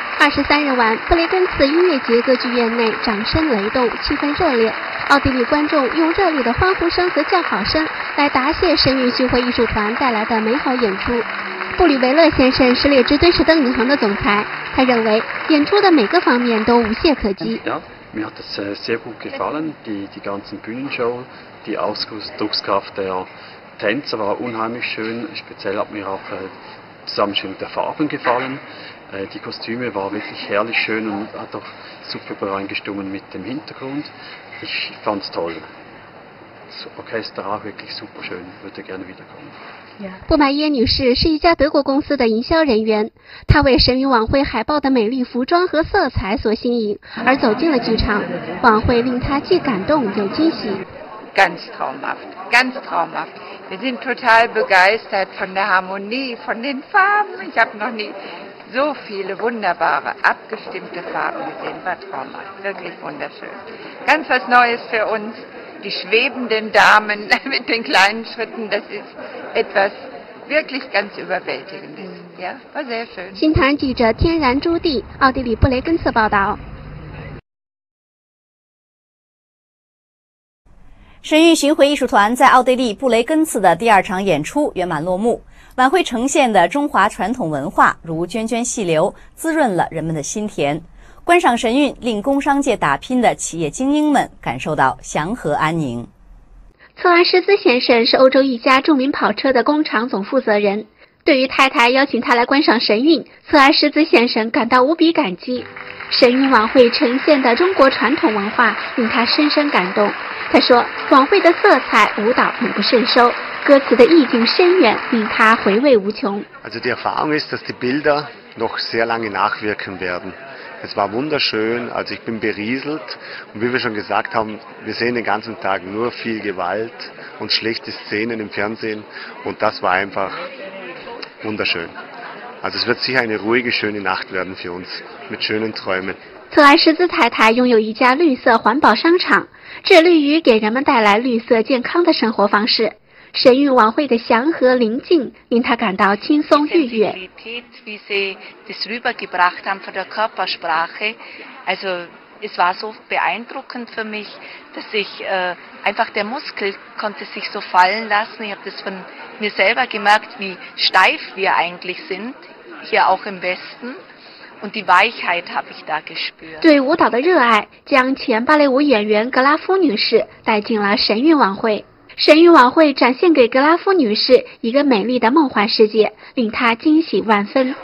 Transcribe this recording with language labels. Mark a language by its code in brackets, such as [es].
[zh] 23日晚，布雷根茨音乐节歌剧院内掌声雷动，气氛热烈。奥地利观众用热烈的欢呼声和叫好声来答谢神韵巡回艺术团带来的美好演出。布吕维勒先生是列支敦士登银行的总裁，他认为演出的每个方面都无懈可击。 [de] Mir hat es sehr gut gefallen, die ganzen Bühnenshow, die Ausdruckskraft der Tänzer war unheimlich schön, speziell hat mir auch Zusammenstellung der Farben gefallen, die Kostüme waren wirklich herrlich schön und hat auch super übereingestimmt mit dem Hintergrund, ich fand es toll, das Orchester auch wirklich super schön, würde gerne wiederkommen. [zh] 布玛耶女士是一家德国公司的营销人员，她为神韵晚会海报的美丽服装和色彩所吸引而走进了剧场，晚会令她既感动又惊喜。 [de] Ganz traumhaft, ganz traumhaft. Wir sind total begeistert von der Harmonie, von den Farben. Ich habe noch nie so viele wunderbare, abgestimmte Farben gesehen. War traumhaft, wirklich wunderschön. Ganz was Neues für uns. Die schwebenden Damen mit den kleinen Schritten, das ist etwas wirklich ganz Überwältigendes. Ja, war sehr schön. [zh] 新唐记者天然朱棣，奥地利布雷根茨报道。神韵巡回艺术团在奥地利布雷根茨的第二场演出圆满落幕，晚会呈现的中华传统文化如涓涓细流，滋润了人们的心田。观赏神韵令工商界打拼的企业精英们感受到祥和安宁。策安师资先生是欧洲一家著名跑车的工厂总负责人，对于太太邀请他来观赏神韵，策安师资先生感到无比感激。神韵晚会呈现的中国传统文化令他深深感动，他说晚会的色彩舞蹈很不胜收，歌词的意境深远，令他回味无穷。 [de] Also die Erfahrung ist, dass die Bilder noch sehr lange nachwirken werden. Es war wunderschön, also ich bin berieselt und wie wir schon gesagt haben, wir sehen den ganzen Tag nur viel Gewalt und schlechte Szenen im Fernsehen und das war einfach wunderschön. Also es wird sicher eine ruhige, schöne Nacht werden für uns mit schönen Träumen. [zh] 策安师资太太拥有一家绿色环保商场，致力于给人们带来绿色健康的生活方式。神韵晚会的祥和宁静令他感到轻松愉悦。 [de] Wie sie das rübergebracht haben von der Körpersprache, also es war so beeindruckend für mich, dass ich einfach der Muskel konnte sich so fallen lassen. Ich habe das von mir selber gemerkt, wie steif wir eigentlich sind hier auch im Westen und die Weichheit habe ich da gespürt. [zh] 对舞蹈的热爱将前芭蕾舞演员格拉夫女士带进了神韵晚会。神韵晚会展现给格拉夫女士一个美丽的梦幻世界，令她惊喜万分。